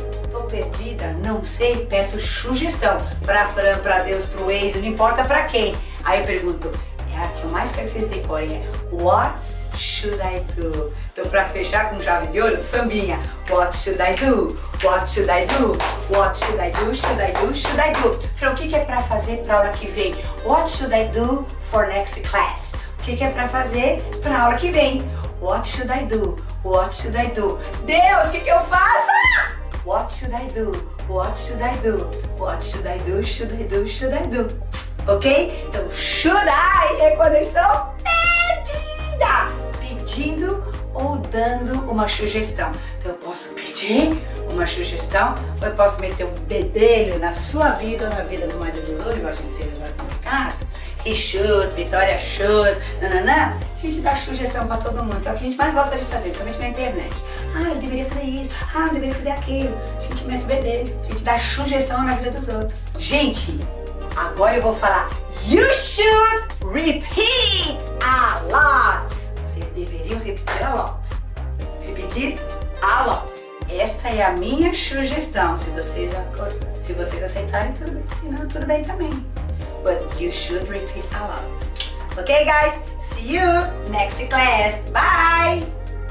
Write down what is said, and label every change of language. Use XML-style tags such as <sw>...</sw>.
<pt>Tô perdida, não sei, peço sugestão pra Fran, pra Deus, pro Waze, não importa pra quem. Aí eu pergunto, tá? O que eu mais quero que vocês decorem é</pt> <en>What should I do?</en> <pt>Então, pra fechar com chave de ouro, sambinha.</pt> <en>What should I do? What should I do? What should I do? Should I do? Should I do?</en> <pt>Fran, o que é pra fazer pra aula que vem?</pt> <en>What should I do for next class?</en> <pt>O que é pra fazer pra aula que vem?</pt> <en>What should I do? What should I do?</en> <pt>Deus, o que eu faço?</pt> <en>What should I do? What should I do? What should I do? Should I do? Should I do? Ok?</en> <pt>Então,</pt> <en>should I</en> <pt>é quando eu estou perdida. Pedindo ou dando uma sugestão. Então, eu posso pedir uma sugestão ou eu posso meter um bedelho na sua vida ou na vida do marido dos outros, igual a gente fez agora com o Ricardo.</pt> <en>He should, Vitória should,</en> <pt>nananã. A gente dá sugestão pra todo mundo, que é o que a gente mais gosta de fazer, principalmente na internet. Ah, eu deveria fazer isso. Ah, eu deveria fazer aquilo. A gente mete o bedelho. A gente dá sugestão na vida dos outros. Gente, agora eu vou falar</pt> <en>you should repeat a lot.</en> <pt>Vocês deveriam repetir a lot. Repetir a lot. Esta é a minha sugestão. Se vocês aceitarem, tudo bem. Se não, tudo bem também.</pt> <en>But you should repeat a lot. Ok, guys? See you next class. Bye!</en>